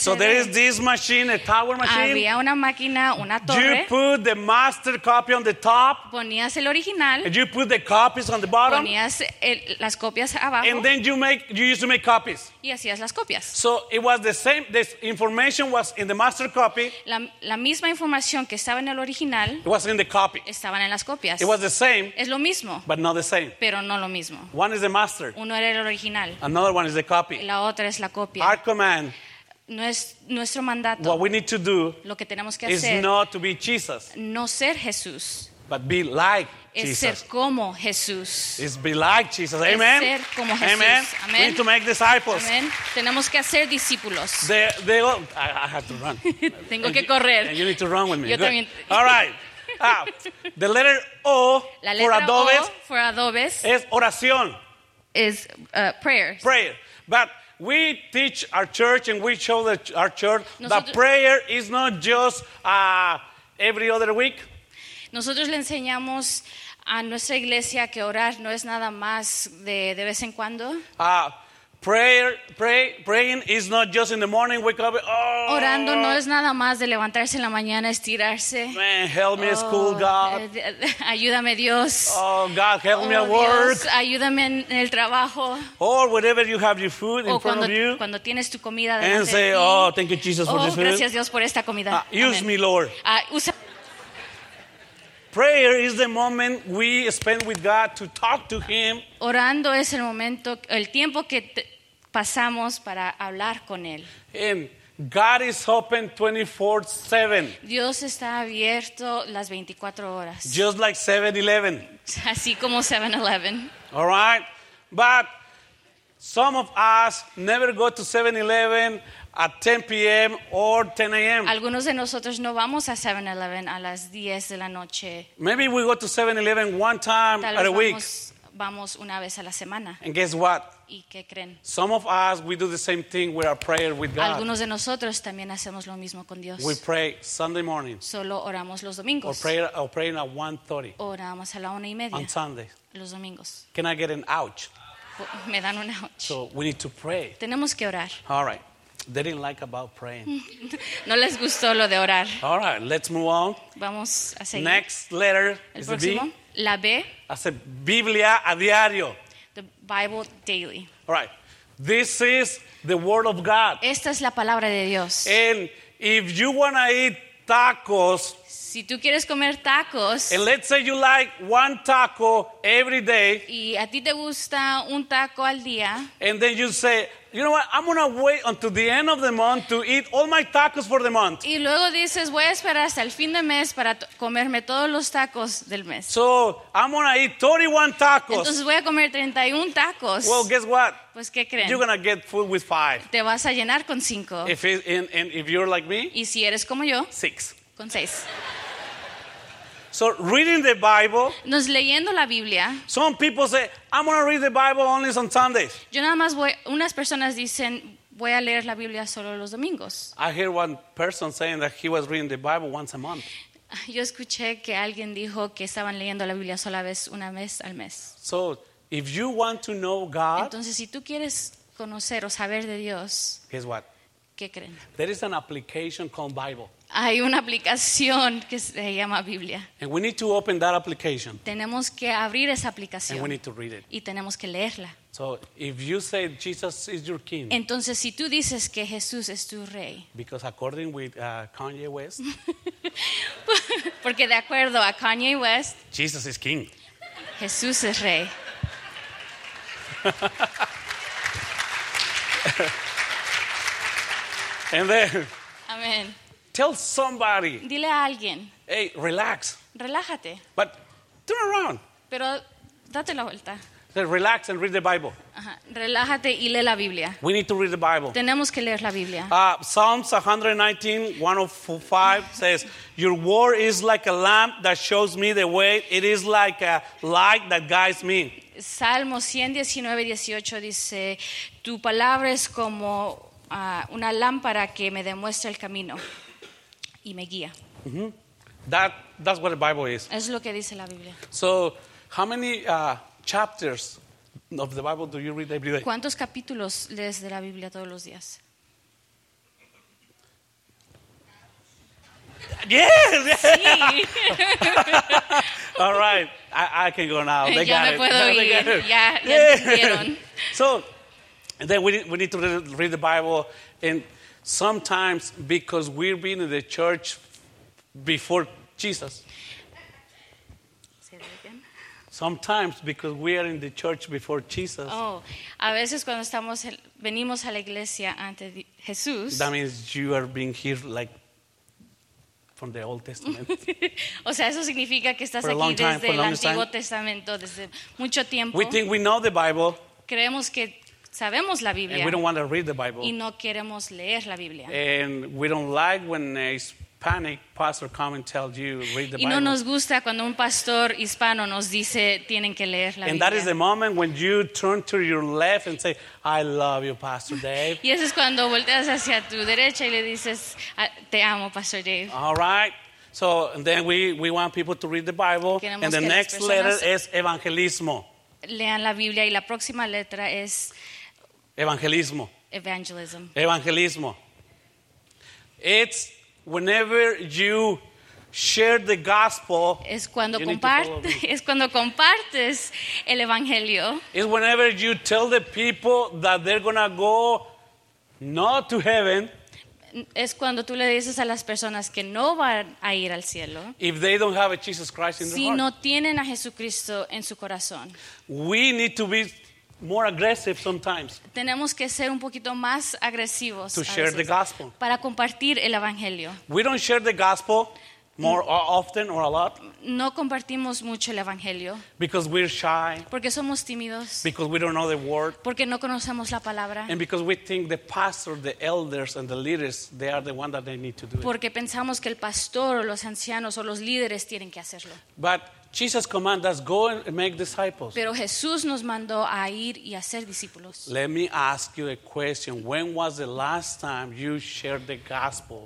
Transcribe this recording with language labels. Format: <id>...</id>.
<en>So there is this machine, a tower machine.</en> <es>Había una máquina, una torre.</es> <en>You put the master copy on the top.</en> <es>Ponías el original.</es> <en>And you put the copies on the bottom.</en> <es>Ponías las copias abajo.</es> <en>And then you used to make copies.</en> <es>Y hacías las copias.</es> <en>So it was the same, this information was in the master copy.</en> <es>La misma información que estaba en el original.</es> <en>It was in the copy.</en> <es>Estaban en las copias.</es> <en>It was the same.</en> <es>Es lo mismo.</es> <en>But not the same.</en> <es>Pero no lo mismo.</es> <en>One is the master.</en> <es>Uno era el original.</es> <en>Another one is the copy.</en> <es>La otra es la copia.</es> <en>Our command.</en> <es>Nuestro mandato.</es> <en>What we need to do.</en> <es>Lo que tenemos que hacer.</es> <en>Is not to be Jesus.</en> <es>No ser Jesús.</es> <en>But be like</en> <es>es</es> <en>Jesus.</en> <es>Es ser como Jesús.</es> <en>Is be like Jesus. Amen.</en> <es>Es ser como Jesús.</es> <en>Amen.</en> <es>Amen.</es> <en>We need to make disciples.</en> <es>Amen. Tenemos que hacer discípulos.</es> <en>I have to run.</en> <es>Tengo que correr.</es> <en>And you need to run with me.</en> <es>Yo también.</es> <en>All right. The letter O,</en> <es>la letra</es> <en>for adobes, O for adobes</en> <es>es oración.</es> <en>Is prayer. Prayer. But we teach our church and we show our church that prayer is not just every other week.</en> <es>Nosotros le enseñamos a nuestra iglesia que orar no es nada más de vez en cuando.</es> <en>Praying is not just in the morning, wake up. Oh.</en> <es>Orando no es nada más de levantarse en la mañana, estirarse.</es> <en>Man, help me at school, God.</en> <es>Ayúdame, Dios.</es> <en>Oh, God, help me at work.</en> <es>Dios, ayúdame en el trabajo.</es> <en>Or whenever you have your food in front of you.</en> <es>Cuando tienes tu comida delante de ti.</es> <en>And say, oh, thank you, Jesus, for this food.</en> <es>Gracias, Dios, por esta comida.</es> <en>Use me, Lord. Prayer is the moment we spend with God to talk to Him.</en> <es>Orando es el momento, el tiempo que pasamos para hablar con Él.</es> <en>And God is open 24/7.</en> <es>Dios está abierto las 24 horas.</es> <en>Just like 7-Eleven.</en> <es>Así como 7-Eleven.</es> <en>All right. But some of us never go to 7-Eleven at 10 p.m. or 10 a.m.</en> <es>Algunos de nosotros no vamos a 7-Eleven a las 10 de la noche.</es> <en>Maybe we go to 7-Eleven one time at a week.</en> <es>Vamos una vez a la semana.</es> <en>And guess what?</en> <es>¿Y qué creen?</es> <en>Some of us, we do the same thing with our prayer with God.</en> <es>Algunos de nosotros también hacemos lo mismo con Dios.</es> <en>We pray Sunday morning.</en> <es>Solo oramos los domingos.</es> <en>Or praying at 1:30.</en> <es>Oramos a la 1:30.</es> <en>On Sunday.</en> <es>Los domingos.</es> <en>Can I get an ouch?</en> <es>Me dan un ouch.</es> <en>So we need to pray.</en> <es>Tenemos que orar.</es> <en>All right. They didn't like about praying.</en> <es>No les gustó lo de orar.</es> <en>All right, let's move on.</en> <es>Vamos a seguir.</es> <en>Next letter</en> <es>el</es> <en>is</en> <es>próximo,</es> <en>B.</en> <es>La B. Hace Biblia a diario.</es> <en>The Bible daily. All right. This is the word of God.</en> <es>Esta es la palabra de Dios.</es> <en>And if you want to eat tacos.</en> <es>Si tú quieres comer tacos.</es> <en>And let's say you like one taco every day.</en> <es>Y a ti te gusta un taco al día.</es> <en>And then you say, you know what? I'm going to wait until the end of the month to eat all my tacos for the month.</en> <es>Y luego dices, voy a esperar hasta el fin de mes para comerme todos los tacos del mes.</es> <en>So, I'm going to eat 31 tacos.</en> <es>Entonces voy a comer 31 tacos.</es> <en>Well, guess what?</en> <es>Pues, ¿qué creen?</es> <en>You're going to get full with 5.</en> <es>Te vas a llenar con 5.</es> <en>If you're like me?</en> <es>Y si eres como yo?</es> <en>6.</en> <es>Con 6.</es> <en>So reading the Bible.</en> <es>Nos leyendo la Biblia.</es> <en>Some people say, I'm going to read the Bible only on Sundays.</en> <es>Yo nada más voy, unas personas dicen, voy a leer la Biblia solo los domingos.</es> <en>I hear one person saying that he was reading the Bible once a month.</en> <es>Yo escuché que alguien dijo que estaban leyendo la Biblia sola vez, una vez al mes.</es> <en>So if you want to know God.</en> <es>Entonces si tú quieres conocer o saber de Dios.</es> <en>Guess what?</en> <es>¿Qué creen?</es> <en>There is an application called Bible.</en> <es>Hay una aplicación que se llama Biblia.</es> <en>And we need to open that application.</en> <es>Tenemos que abrir esa aplicación.</es> <en>And we need to read it.</en> <es>Y tenemos que leerla.</es> <en>So if you say Jesus is your king.</en> <es>Entonces si tú dices que Jesús es tu rey.</es> <en>Because according with Kanye West.</en> <es>Porque de acuerdo a Kanye West.</es> <en>Jesus is king.</en> <es>Jesús es rey.</es> <en>And then.</en> <es>Amén.</es> <en>Tell somebody.</en> <es>Dile a alguien.</es> <en>Hey, relax.</en> <es>Relájate.</es> <en>But turn around.</en> <es>Pero date la vuelta.</es> <en>Then relax and read the Bible.</en> <es>Ajá. Relájate y lee la Biblia.</es> <en>We need to read the Bible.</en> <es>Tenemos que leer la Biblia.</es> <en>Psalms 119:105 says, "Your word is like a lamp that shows me the way; it is like a light that guides me."</en> <es>Salmo 119:18 dice, "Tu palabra es como una lámpara que me demuestra el camino." Y me guía.</es> <en>Mm-hmm. That's what the Bible is.</en> <es>Es lo que dice la Biblia.</es> <en>So, how many chapters of the Bible do you read every day?</en> <es>¿Cuántos capítulos lees de la Biblia todos los días?</es> <en>Yes!</en> <es>Sí.</es> <en>All right. I can go now. They</en> <es>ya</es> <en>got me it. they</en> <es>ir. Ya,</es> <en>yeah. So, then we need to read the Bible and sometimes because we've been in the church before Jesus. Say that again. Sometimes because we are in the church before Jesus.</en> <es>Oh, a veces cuando estamos venimos a la iglesia antes de Jesús.</es> <en>That means you are being here like from the Old Testament.</en> <es>O sea, eso significa que estás aquí desde el Antiguo Testamento desde mucho tiempo.</es> <en>We think we know the Bible.</en> <es>Creemos que sabemos la Biblia.</es> <en>And we don't want to read the Bible.</en> <es>Y no queremos leer la Biblia.</es> <en>And we don't like when a Hispanic pastor comes and tells you read the</en> <es>y Y no nos gusta cuando un pastor hispano nos dice tienen que leer la</es> <en>and And that is the moment when you turn to your left and say, I love you, Pastor Dave.</en> <es>Y eso es cuando volteas hacia tu derecha y le dices, te amo, Pastor Dave.</es> <en>All right. So then we want people to read the Bible.</en> <es>Queremos</es> <en>and the next letter is evangelismo.</en> <es>Lean la Biblia y la próxima letra es evangelismo.</es> <en>Evangelism. Evangelismo. It's whenever you share the gospel.</en> <es>Es cuando es cuando compartes el evangelio.</es> <en>It's whenever you tell the people that they're gonna go not to heaven.</en> <es>Es cuando tú le dices a las personas que no van a ir al cielo.</es> <en>If they don't have a Jesus Christ in their heart.</en> <es>Si no tienen a Jesucristo en su corazón.</es> <en>We need to be more aggressive sometimes.</en> <es>Tenemos que ser un poquito más agresivos.</es> <en>To share the gospel.</en> <es>Para compartir el evangelio.</es> <en>We don't share the gospel more often or a lot.</en> <es>No compartimos mucho el evangelio.</es> <en>Because we're shy.</en> <es>Porque somos tímidos.</es> <en>Because we don't know the word.</en> <es>Porque no conocemos la palabra.</es> <en>And because we think the pastor, the elders, and the leaders, they are the one that they need to do it.</en> <es>Porque pensamos que el pastor o los ancianos o los líderes tienen que hacerlo.</es> <en>But Jesus commanded us, go and make disciples.</en> <es>Pero Jesús nos mandó a ir y a ser discípulos.</es> <en>Let me ask you a question. When was the last time you shared the gospel?</en>